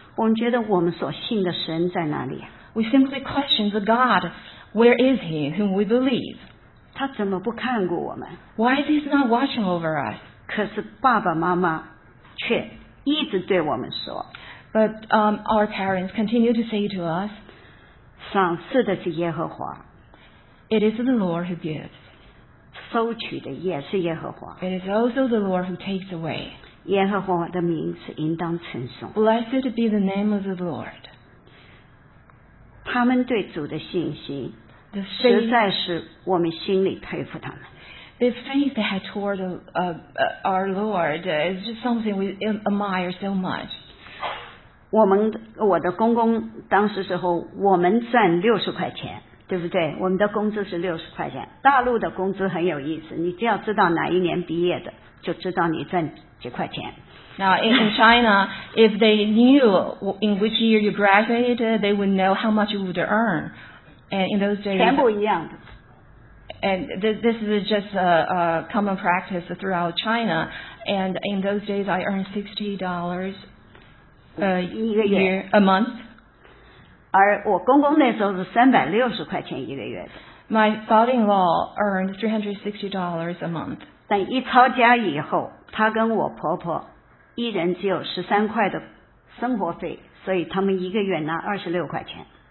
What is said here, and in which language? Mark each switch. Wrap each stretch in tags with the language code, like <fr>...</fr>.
<zh>我们觉得我们所信的神在哪里？</zh> <en>We simply question the God, where is he whom we believe?</en> <zh>他怎么不看顾我们？</zh> <en>Why is he not watching over us?</en> <zh>可是爸爸妈妈却一直对我们说。</zh> <en>But our parents continue to say to us,</en> <zh>赏赐的是耶和华。</zh> <en>It is the Lord who gives.</en> <zh>收取的也是耶和华。</zh> <en>It is also the Lord who takes away.</en> <zh>耶和华的名是应当称颂。</zh> <en>Blessed be the name of the Lord.</en> <zh>他们对主的信心，</zh> <en>the faith,</en> <zh>实在是我们心里佩服他们。</zh> <en>The faith they had toward our Lord is just something we admire so much.</en> <zh>我的公公当时时候，我们赚六十块钱。对不对？我们的工资是六十块钱。大陆的工资很有意思，你只要知道哪一年毕业的，就知道你赚几块钱。</zh> <en>Now in China, if they knew in which year you graduated, they would know how much you would earn. And in those days,</en> <zh>全部一样的。</zh> <en>And this is just a common practice throughout China. And in those days, I earned $60 a month.</en> <zh>而我公公那时候是360块钱一个月的。</zh> <en>My father-in-law earned $360 a month.</en> <zh>但一抄家以后，他跟我婆婆一人只有13块的生活费，所以他们一个月拿26块钱。</zh>